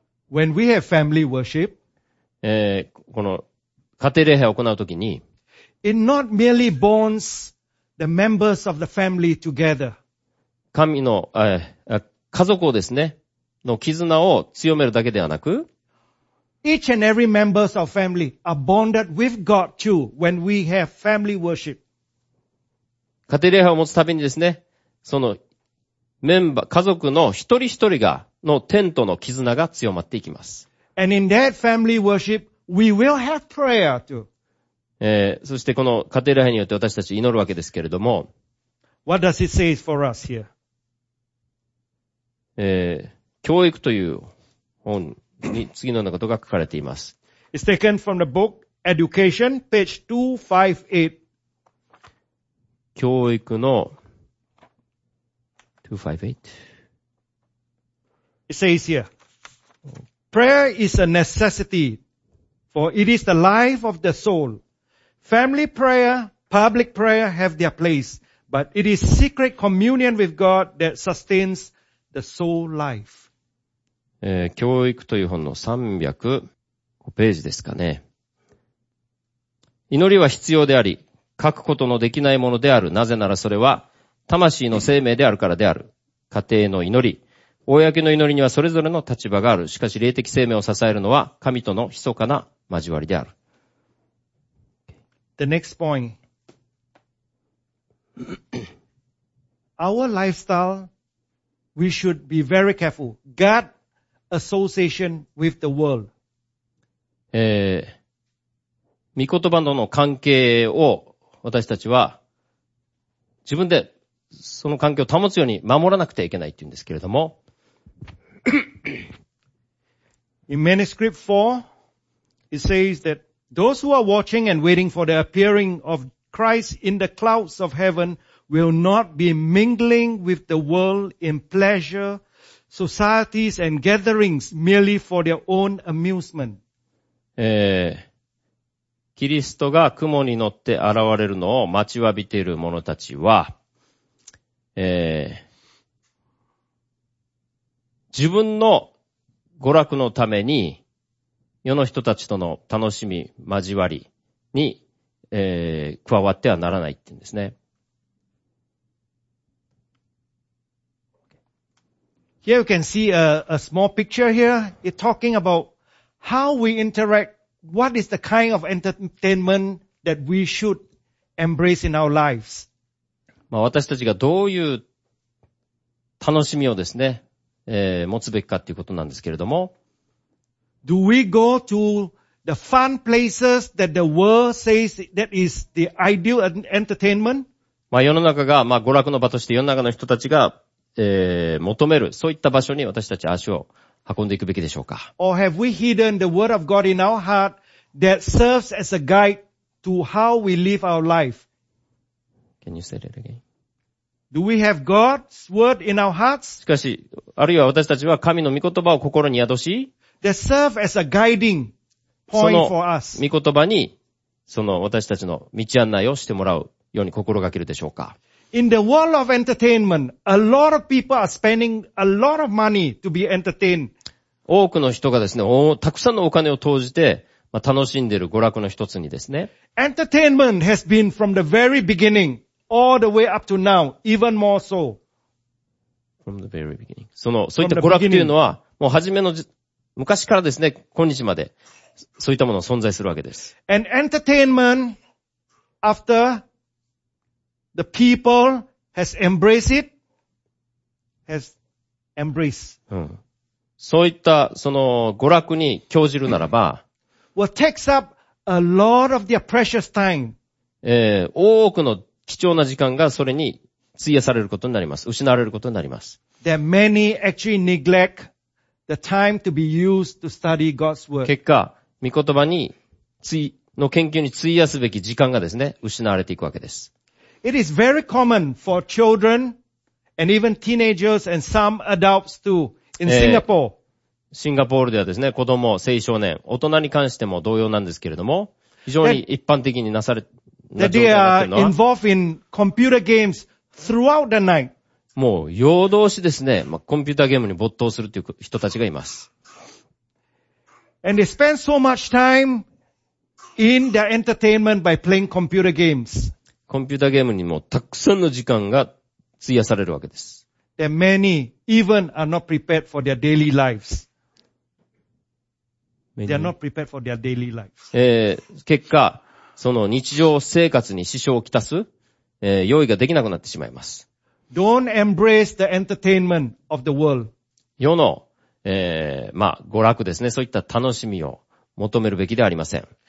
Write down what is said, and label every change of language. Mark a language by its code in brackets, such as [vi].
[en] When we have family worship, [ja] この家庭礼拝を行うときに、 [en] It not merely bonds the members of the family together. [ja] 神の、家族をですね、の絆を強めるだけではなく、 [en] Each and every members of family are bonded with God too when we have family worship. [ja] 家庭礼拝を持つたびにですね、そのメンバー、家族の一人一人が、の天との絆が強まっていきます。 [en] And in that family worship, we will have prayer too. [ja] そしてこの家庭礼拝によって私たち祈るわけですけれども。 [en] What does it say for us here? [ja] 教育という本に次のようなことが書かれています。 [en] It's taken from the book Education, page 258. [ja] 教育の258。 [en] It says here. Prayer is a necessity, for it is the life of the soul. Family prayer, public prayer have their place, But it is secret communion with God that sustains the soul life. [ja] 教育という本の305ページですかね。祈りは必要であり、書くことのできないものである。なぜならそれは、魂の生命であるからである。家庭の祈り、公の祈りにはそれぞれの立場がある。しかし、霊的生命を支えるのは、神との密かな交わりである。 [en] The next point. Our lifestyle, we should be very careful. God association with the world. [ja] 御言葉との関係を私たちは自分でその関係を保つように守らなくてはいけないというんですけれども。 [en] In manuscript 4, it says that those who are watching and waiting for the appearing of Christ in the clouds of heaven will not be mingling with the world in pleasure, societies and gatherings merely for their own amusement. [ja] キリストが雲に乗って現れるのを待ちわびている者たちは、自分の娯楽のために世の人たちとの楽しみ、交わりに、加わってはならないって言うんですね。 [en] Here you can see a small picture here. It's talking about how we interact. What is the kind of entertainment that we should embrace in our lives? [ja] まあ私たちがどういう楽しみをですね、持つべきかということなんですけれども。 [en] Do we go to the fun places that the world says that is the ideal entertainment? [ja] まあ世の中が、まあ娯楽の場として世の中の人たちが、求める、そういった場所に私たち足を運んでいくべきでしょうか。 [en] Or have we hidden the word of God in our heart that serves as a guide to how we live our life? Can you say that again? Do we have God's word in our hearts? [ja] しかし、あるいは私たちは神の御言葉を心に宿し、 [en] that serve as a guiding point for us. [ja] その御言葉に、その私たちの道案内をしてもらうように心がけるでしょうか。 [en] In the world of entertainment, a lot of people are spending a lot of money to be entertained. [ja] 多くの人がですね、たくさんのお金を投じて、まあ、楽しんでいる娯楽の一つにですね。 [en] Entertainment has been from the very beginning, all the way up to now, even more so. From the very beginning. [ja] そういった娯楽というのは、もう初めの昔からですね、今日まで、そういったものが存在するわけです。 [en] And entertainment after the people has embraced it, has embraced. [ja] そういった、その、娯楽に興じるならば、 [en] what takes up a lot of their precious time. [ja] 多くの貴重な時間がそれに費やされることになります。失われることになります。 [en] that many actually neglect the time to be used to study God's word. [ja] 結果、御言葉に、の研究に費やすべき時間がですね、失われていくわけです。 [en] It is very common for children and even teenagers and some adults too in Singapore. [ja] シンガポールではですね、子供、青少年、大人に関しても同様なんですけれども、非常に一般的になされ、 [en] that they are involved in computer games throughout the night. [ja] もう夜通しですね、まあ、コンピューターゲームに没頭するという人たちがいます。 [en] And they spend so much time in their entertainment by playing computer games. [ja] コンピューターゲームにもたくさんの時間が費やされるわけです。 [en] There are many even are not prepared for their daily lives. They are not prepared for their daily lives. [ja] 結果、その日常生活に支障をきたす、用意ができなくなってしまいます。 [en] Don't embrace the entertainment of the world. [ja] 世の、まあ、娯楽ですね。そういった楽しみを求めるべきではありません。